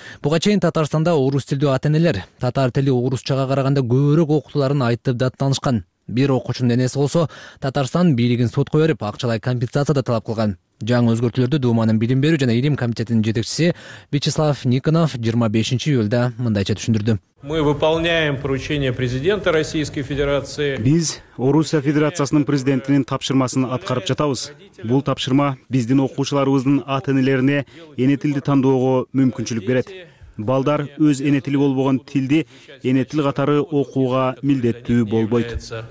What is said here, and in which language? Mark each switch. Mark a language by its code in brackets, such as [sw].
[ky] Буга чейин Татарстанда орус тилдүү ата энелер татар тили орусчага караганда көбүрөөк окутуларын айтып даттанышкан. Бир окуучунун энеси болсо Татарстан бийлигин сотко берип акчалай компенсация да талап кылган. Жаңы өзгөртүүлөрдү думанын билим берүү жана илим комитетинин жетекчиси Вячеслав Никонов 25-июлда мындайча түшүндүрдү. [ru] Мы выполняем поручение президента Российской Федерации. [ky] Биз Орусия Федерациясынын президентинин тапшырмасын аткарып жатабыз. Бул тапшырма биздин окуучуларыбыздын ата энелерине эне тилди тандоого мүмкүнчүлүк берет. Балдар өз эне тили болбогон тилди эне тил катары окууга милдеттүү болбойт.